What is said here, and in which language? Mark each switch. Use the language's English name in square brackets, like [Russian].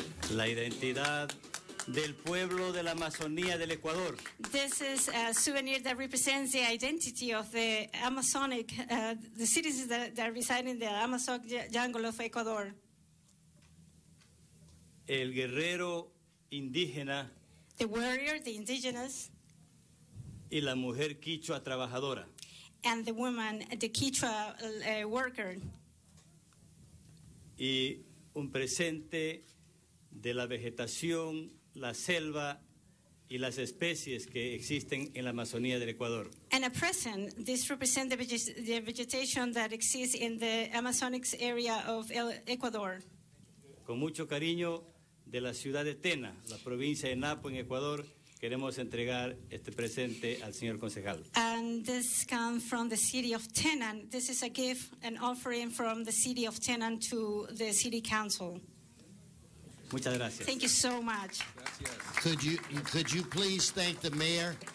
[Spanish] La identidad del pueblo de la Amazonía del Ecuador. [English] This is a souvenir that represents the identity of the Amazonic, the citizens that reside in the Amazon jungle of Ecuador. [Spanish] El guerrero indígena. [English] The warrior, the indigenous. [Spanish] Y la mujer quichua trabajadora. [English] And the woman, the quichua worker. [Spanish] Y un presente de la vegetación, la selva y las especies que existen en la Amazonía del Ecuador. [English] And a present, this represents the vegetation that exists in the Amazonic area of Ecuador. [Spanish] Con mucho cariño, de la ciudad de Tena, la provincia de Napo, en Ecuador. Queremos entregar este presente al señor concejal. [English] And this comes from the city of Tenan. This is a gift, an offering from the city of Tenan to the city council. [Spanish] Muchas gracias. [English] Thank you so much. [Spanish] Gracias. [English] Could you please thank the mayor?